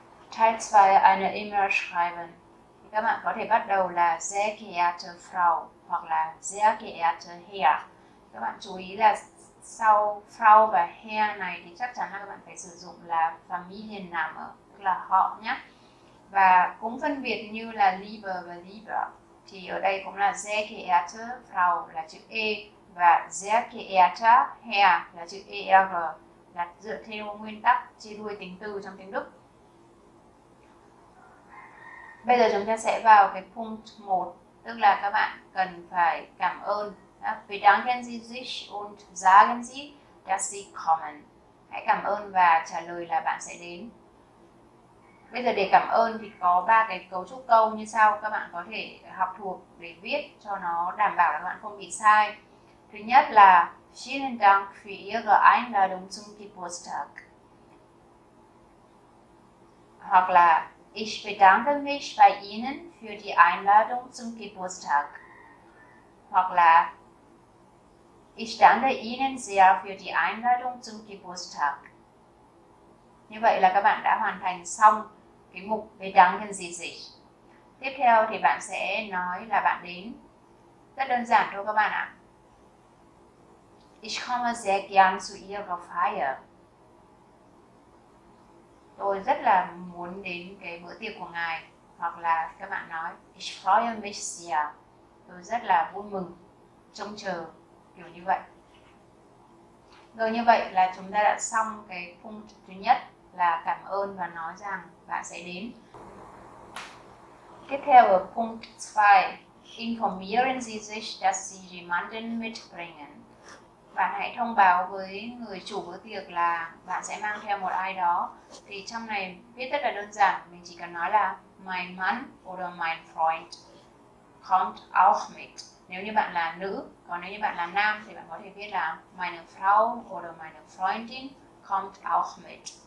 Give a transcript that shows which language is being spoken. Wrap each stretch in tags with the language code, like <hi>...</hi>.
<de>Teil 2, eine E-Mail schreiben.</de> <vi>Thì các bạn có thể bắt đầu là</vi> <de>sehr geehrte Frau</de> <vi>hoặc là</vi> <de>sehr geehrte Herr.</de> <vi>Các bạn chú ý là sau Frau và Herr này thì chắc chắn là các bạn phải sử dụng là Familienname, tức là họ nhé. Và cũng phân biệt như là Liebe và Lieber thì ở đây cũng là</vi> <de>sehr geehrte Frau</de> <vi>là chữ E và</vi> <de>sehr geehrter Herr</de> <vi>là chữ ER, là dựa theo nguyên tắc chia đuôi tính từ trong tiếng Đức. Bây giờ chúng ta sẽ vào cái punkt 1, tức là các bạn cần phải cảm ơn.</vi> <de>Bedanken Sie sich und sagen Sie, dass Sie kommen.</de> <vi>Hãy cảm ơn và trả lời là bạn sẽ đến. Bây giờ để cảm ơn thì có ba cái cấu trúc câu như sau, các bạn có thể học thuộc để viết cho nó đảm bảo là các bạn không bị sai. Thứ nhất là</vi> <de>Vielen Dank für Ihre Einladung zum Geburtstag.</de> <vi>Hoặc là</vi> <de>Ich bedanke mich bei Ihnen für die Einladung zum Geburtstag.</de> <vi>Hoặc là</vi> <de>Ich danke Ihnen sehr für die Einladung zum Geburtstag.</de> <vi>Như vậy là các bạn đã hoàn thành xong cái mục</vi> <de>Bedanken Sie sich.</de> <vi>Tiếp theo thì bạn sẽ nói là bạn đến. Rất đơn giản thôi các bạn ạ.</vi> <de>Ich komme sehr gern zu Ihrer Feier.</de> <vi>Tôi rất là muốn đến cái bữa tiệc của ngài. hoặc là các bạn nói</vi> <de>Ich freue mich sehr,</de> <vi>tôi rất là vui mừng, trông chờ, kiểu như vậy. Rồi như vậy là chúng ta đã xong cái phương thứ nhất là cảm ơn và nói rằng bạn sẽ đến. Tiếp theo ở phương 2,</vi> <de>Informieren Sie sich, dass Sie jemanden mitbringen.</de> <vi>Bạn hãy thông báo với người chủ bữa tiệc là bạn sẽ mang theo một ai đó. Thì trong này viết rất là đơn giản, mình chỉ cần nói là</vi> <de>Mein Mann oder mein Freund kommt auch mit.</de> <vi>Nếu như bạn là nữ, còn nếu như bạn là nam thì bạn có thể viết là</vi> <de>Meine Frau oder meine Freundin kommt auch mit.</de>